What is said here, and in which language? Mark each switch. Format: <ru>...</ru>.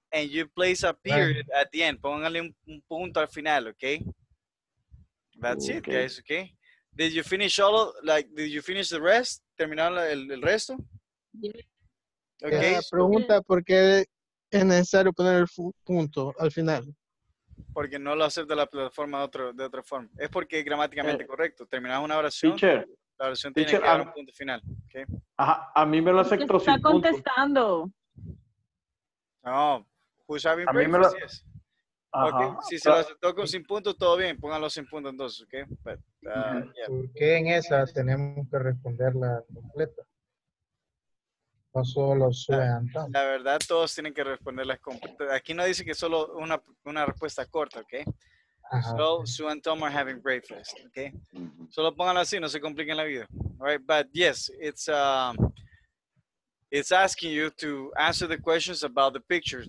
<en>And you place a period at the end.</en> <es>Póngale un punto al final, okay?</es> <en>That's it, guys, okay? Did you finish all of, like, did you finish the rest?</en> <es>¿Terminaron el resto?</es> <en>Yeah. Okay.</en> <es>Pregunta por qué es necesario poner el punto al final. Porque no lo acepta la plataforma de otra forma. Es porque es gramáticamente correcto. Terminamos una oración.</es> <en>Teacher.</en> <es>La oración tiene que dar un punto final, okay? A mí me lo acepto sin punto. Está contestando.</es> <en>No. Who's having breakfast?</en> <es>Yes. Okay. Si se lo aceptó con sin puntos, todo bien. Pónganlo sin puntos entonces, okay? But, yeah. ¿Por qué en esa tenemos que responderla completa? No solo Sue and Tom. La verdad, todos tienen que responderlas completas. Aquí no dice que solo una respuesta corta, okay? Ajá.</es> <en>So, Sue and Tom are having breakfast, okay?</en> <es>Solo pónganlo así, no se compliquen la vida.</es> <en>All right, but yes, it's... It's asking you to answer the questions about the pictures.</en>